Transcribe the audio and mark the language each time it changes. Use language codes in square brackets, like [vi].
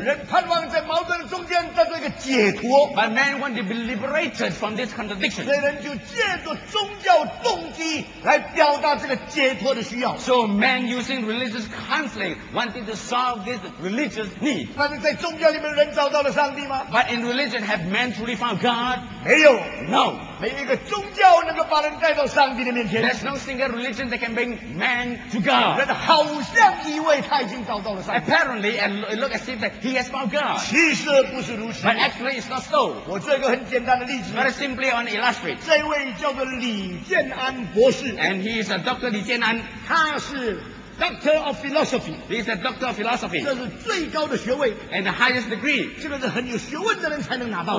[zh] 人盼望在矛盾的中间得到一个解脱 [en] But man want to be liberated from this contradiction [zh] 所以人就借着宗教动机来表达这个解脱的需要 [en] So man using religious conflict wanted to solve this religious need [zh] 但是在宗教里面人找到了上帝吗 [en] But in religion have man truly found God? [zh] 没有 [en] No [zh] 没有一个宗教能够把人带到上帝的面前 [en] There's no single religion that can bring man to God [zh] 人好像以为他已经找到了上帝 [en] Apparently it looks as if that he has found God [zh] 其实不是如此 [en] But actually it's not so [zh] 我做一个很简单的例子 [en] Very simply on illustrate [zh] 这位叫做李建安博士 [en] And he is a Dr. 李建安 [zh] 他是Doctor of Philosophy. [en] He is a Doctor of Philosophy. [zh] 这是最高的学位 [en] And the highest degree. [zh] 这个是很有学问的人才能拿到